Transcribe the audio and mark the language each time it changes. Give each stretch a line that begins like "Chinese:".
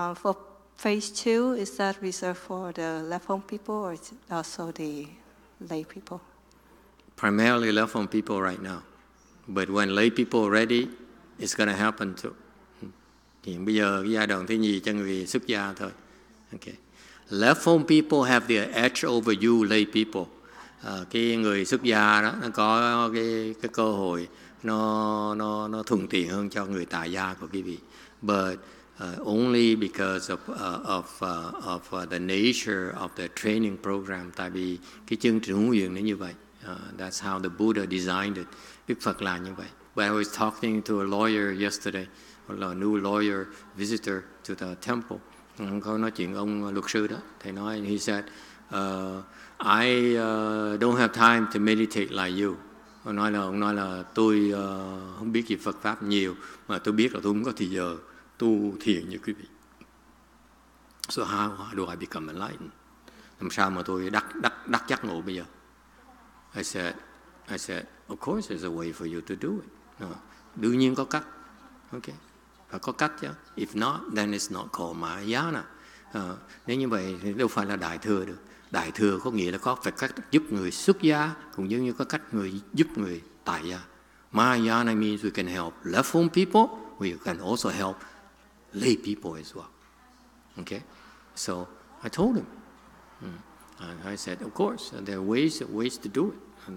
English: For phase two, is that reserved for the left home people or is it also the lay people? Primarily left home people right now. But when lay people are ready, it's going to happen too.
Vietnamese: Hiện bây giờ giai đoạn thứ nhì cho người xuất gia thôi.
English: Okay. Left home people have the edge over you, lay people.
Vietnamese: Cái người xuất gia đó nó có cái cơ hội nó thuận tiện hơn cho người tại gia của quý vị.
English: But only because of the nature of the training program,
Vietnamese: tại vì cái chương trình huấn luyện nó như vậy.
English: That's how the Buddha designed it.
Vietnamese: Đức Phật là như vậy.
English: But I was talking to a lawyer yesterday, a new lawyer visitor to the temple.
Vietnamese: Có nói chuyện ông luật sư đó, thầy nói,
English: he said, I don't have time to meditate like you.
Vietnamese: Ông nói là tôi không biết gì Phật pháp nhiều, mà tôi biết là tôi không có thời giờ tu thiền như quý vị.
English: So how do I become enlightened?
Vietnamese: Làm sao mà tôi đắc giác ngộ bây giờ?
English: I said, of course there's a way for you to do it.
Vietnamese: Đương nhiên có cách,
English: okay.
Vietnamese: Và có cách chứ.
English: If not, then it's not called Mahayana.
Vietnamese: Nếu như vậy thì đâu phải là đại thừa được. Đại thừa có nghĩa là có phải cách giúp người xuất gia cũng giống như có cách người giúp người tại gia.
English: Mahayana means we can help left home people, we can also help lay people as well. Okay? So I told him. I said, of course, there are ways to do it.